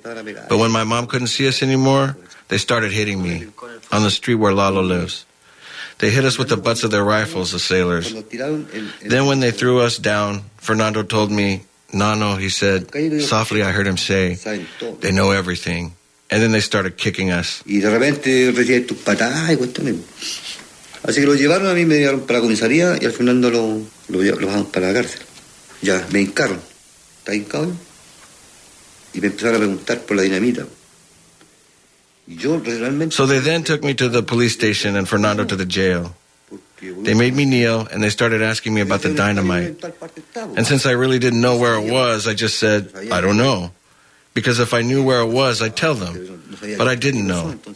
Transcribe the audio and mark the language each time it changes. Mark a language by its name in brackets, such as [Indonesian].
[English] But when my mom couldn't see us anymore, they started hitting me on the street where Lalo lives. They hit us with the butts of their rifles, the sailors. Then when they threw us down, Fernando told me, Nano, he said, softly I heard him say, they know everything. And then they started kicking us. [Spanish] Y de repente recibí tus patadas y cuestiones. Así que lo llevaron a mí, me llevaron para la comisaría y al final lo bajaron para la cárcel. Ya, me hincaron. ¿Está hincado? Y me empezaron a preguntar por la dinamita. [English] So they then took me to the police station and Fernando to the jail. They made me kneel and they started asking me about the dynamite. And since I really didn't know where it was, I just said, I don't know. Because if I knew where it was, I'd tell them. But I didn't know.